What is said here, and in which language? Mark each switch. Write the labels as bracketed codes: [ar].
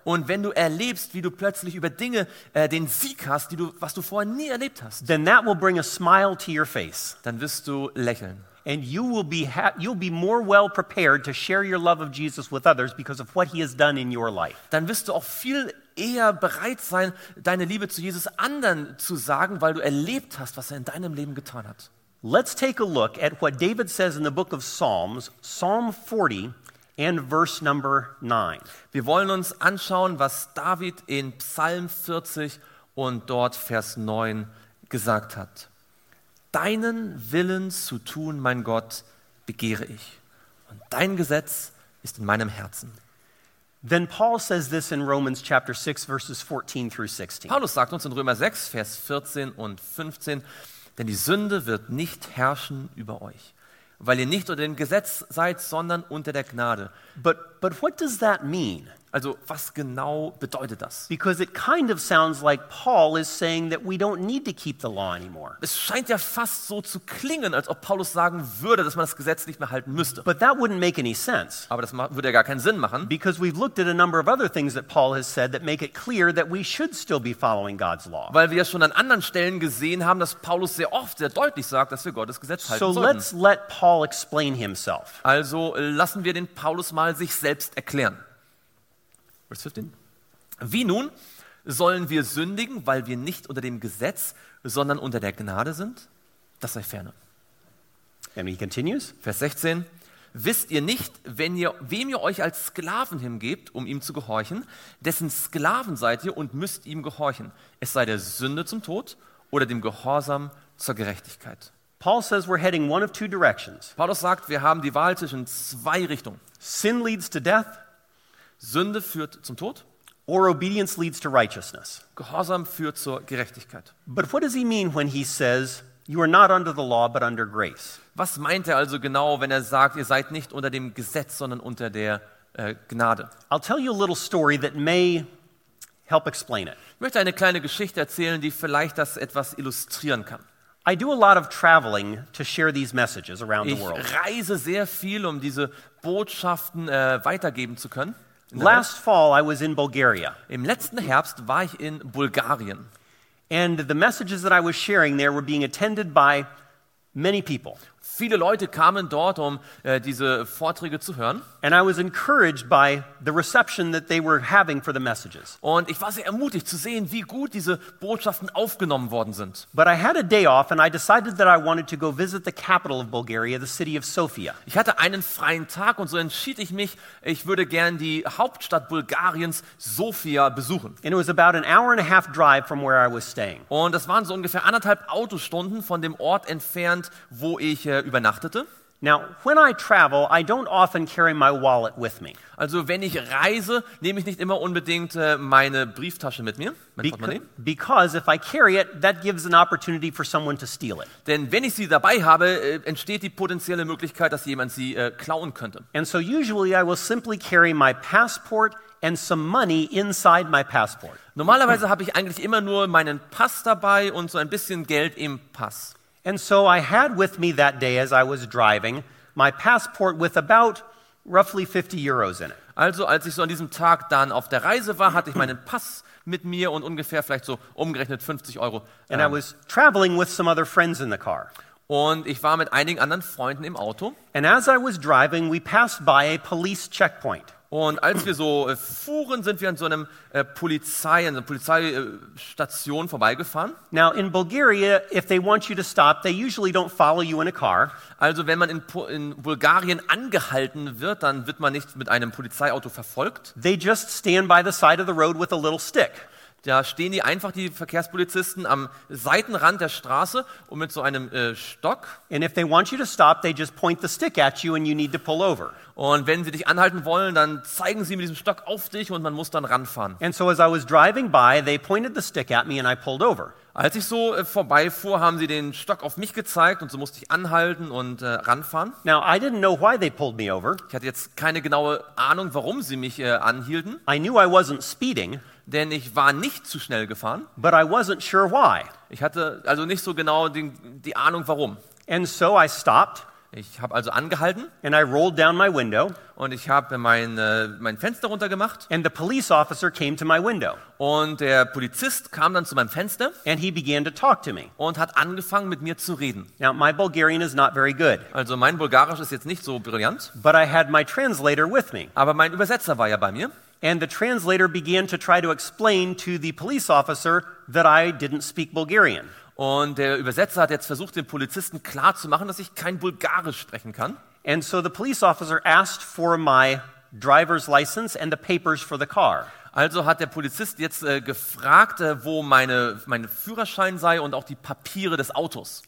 [de] Und wenn du erlebst, wie du plötzlich über Dinge den Sieg hast, die du, was du vorher nie erlebt hast. [en] Then that will bring a smile to your face. [de] Dann wirst du lächeln. [en] And you'll be more well prepared to share your love of Jesus with others because of what he has done in your life. [de] Dann wirst du auch viel eher bereit sein, deine Liebe zu Jesus anderen zu sagen, weil du erlebt hast, was er in deinem Leben getan hat. [en] Let's take a look at what David says in the book of Psalms, Psalm 40 and verse number 9. [de] Wir wollen uns anschauen, was David in Psalm 40 und dort Vers 9 gesagt hat. Deinen Willen zu tun, mein Gott, begehre ich, und dein Gesetz ist in meinem Herzen. [en] Then Paul says this in Romans chapter 6 verses 14 through 16. [de] Paulus sagt uns in Römer 6 Vers 14 und 15: Denn die Sünde wird nicht herrschen über euch, weil ihr nicht unter dem Gesetz seid, sondern unter der Gnade. [en] But what does that mean? [de] Also, was genau bedeutet das? [en] Because it kind of sounds like Paul is saying that we don't need to keep the law anymore. [de] Es scheint ja fast so zu klingen, als ob Paulus sagen würde, dass man das Gesetz nicht mehr halten müsste. [en] But that wouldn't make any sense. [de] Aber das würde ja gar keinen Sinn machen. [en] Because we've looked at a number of other things that Paul has said that make it clear that we should still be following God's law. [de] Weil wir ja schon an anderen Stellen gesehen haben, dass Paulus sehr oft sehr deutlich sagt, dass wir Gottes Gesetz halten sollten. [en] So let's let Paul explain himself. [de] Also, lassen wir den Paulus mal sich selbst erklären. Vers 15. Wie nun sollen wir sündigen, weil wir nicht unter dem Gesetz, sondern unter der Gnade sind? Das sei ferne. [en] And he continues. [de] Vers 16. Wisst ihr nicht, wem ihr euch als Sklaven hingebt, um ihm zu gehorchen, dessen Sklaven seid ihr und müsst ihm gehorchen, es sei der Sünde zum Tod oder dem Gehorsam zur Gerechtigkeit. [en] Paul says we're heading one of two directions. [de] Paulus sagt, wir haben die Wahl zwischen zwei Richtungen. [en] Sin leads to death. [de] Sünde führt zum Tod. [en] Or obedience leads to righteousness. [de] Gehorsam führt zur Gerechtigkeit. [en] But what does he mean when he says you are not under the law but under grace? [de] Was meint er also genau, wenn er sagt, ihr seid nicht unter dem Gesetz, sondern unter der Gnade? [en] I'll tell you a little story that may help explain it. [de] Ich möchte eine kleine Geschichte erzählen, die vielleicht das etwas illustrieren kann. [en] I do a lot of traveling to share these messages around the world. [de] Ich reise sehr viel, um diese Botschaften weitergeben zu können. [en] Last fall I was in Bulgaria. [de] Im letzten Herbst war ich in Bulgarien. [en] And the messages that I was sharing there were being attended by many people. [de] Viele Leute kamen dort, um diese Vorträge zu hören. [en] And I was encouraged by the reception that they were having for the messages. [de] Und ich war sehr ermutigt zu sehen, wie gut diese Botschaften aufgenommen worden sind. [en] But I had a day off and I decided that I wanted to go visit the capital of Bulgaria, the city of Sofia. [de] Ich hatte einen freien Tag und so entschied ich mich, ich würde gern die Hauptstadt Bulgariens, Sofia, besuchen. [en] And it was about an hour and a half drive from where I was staying. [de] Und das waren so ungefähr anderthalb Autostunden von dem Ort entfernt, wo ich übernachtete. [en] Now, when I travel, I don't often carry my wallet with me. [de] Also, wenn ich reise, nehme ich nicht immer unbedingt meine Brieftasche mit mir, mein Portemonnaie. [en] Because if I carry it, that gives an opportunity for someone to steal it. [de] Denn wenn ich sie dabei habe, entsteht die potenzielle Möglichkeit, dass jemand sie klauen könnte. [en] And so usually I will simply carry my passport and some money inside my passport. [de] Normalerweise habe ich eigentlich immer nur meinen Pass dabei und so ein bisschen Geld im Pass. [en] And so I had with me that day as I was driving my passport with about roughly 50 euros in it. [de] Also als ich so an diesem Tag dann auf der Reise war, hatte ich meinen Pass mit mir und ungefähr vielleicht so umgerechnet 50 Euro. [en] And I was traveling with some other friends in the car. [de] Und ich war mit einigen anderen Freunden im Auto. [en] And as I was driving, we passed by a police checkpoint. [de] Und als wir so fuhren, sind wir an so einem Polizei, an so einer Polizeistation vorbeigefahren. [en] Now in Bulgaria, if they want you to stop, they usually don't follow you in a car. [de] Also wenn man in Bulgarien angehalten wird, dann wird man nicht mit einem Polizeiauto verfolgt. [en] They just stand by the side of the road with a little stick. [de] Da stehen die einfach, die Verkehrspolizisten, am Seitenrand der Straße und mit so einem Stock. [en] And if they want you to stop, they just point the stick at you and you need to pull over. [de] Und wenn sie dich anhalten wollen, dann zeigen sie mit diesem Stock auf dich und man muss dann ranfahren. [en] And so as I was driving by, they pointed the stick at me and I pulled over. [de] Als ich so vorbeifuhr, haben sie den Stock auf mich gezeigt und so musste ich anhalten und ranfahren. [en] Now, I didn't know why they pulled me over. [de] Ich hatte jetzt keine genaue Ahnung, warum sie mich anhielten. [en] I knew I wasn't speeding. [de] Denn ich war nicht zu schnell gefahren. [en] But I wasn't sure why. [de] Ich hatte also nicht so genau die Ahnung, warum. [en] And so I stopped. [de] Ich habe also angehalten. [en] And I rolled down my window. [de] Und ich habe mein Fenster runtergemacht. [en] And the police officer came to my window. [de] Und der Polizist kam dann zu meinem Fenster. [en] And he began to talk to me. [de] Und hat angefangen, mit mir zu reden. [en] Now, my Bulgarian is not very good. [de] Also mein Bulgarisch ist jetzt nicht so brillant. [en] But I had my translator with me. [de] Aber mein Übersetzer war ja bei mir. [en] And the translator began to try to explain to the police officer that I didn't speak Bulgarian. [de] Und der Übersetzer hat jetzt versucht, dem Polizisten klarzumachen, dass ich kein Bulgarisch sprechen kann. [en] And so the police officer asked for my driver's license and the papers for the car. [de] Also hat der Polizist jetzt gefragt, wo mein Führerschein sei und auch die Papiere des Autos.